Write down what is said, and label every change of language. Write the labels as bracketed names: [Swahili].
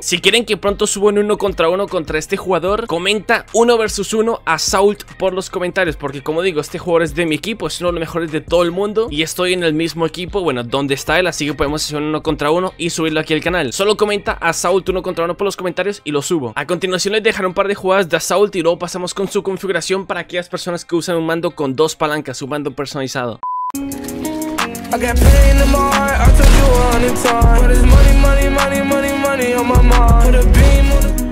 [Spanish] Si quieren que pronto suba en uno contra uno contra este jugador, comenta uno versus uno Assault por los comentarios, porque como digo, este jugador es de mi equipo, es uno de los mejores de todo el mundo y estoy en el mismo equipo, bueno, donde está él, así que podemos hacer uno contra uno y subirlo aquí al canal. Solo comenta Assault uno contra uno por los comentarios y lo subo. A continuación les dejaré un par de jugadas de Assault y luego pasamos con su configuración para aquellas personas que usan un mando con dos palancas, un mando personalizado. [English] I got pain in my heart, I told you 100 times. But it's money, money, money, money, money on my mind. Put a beam on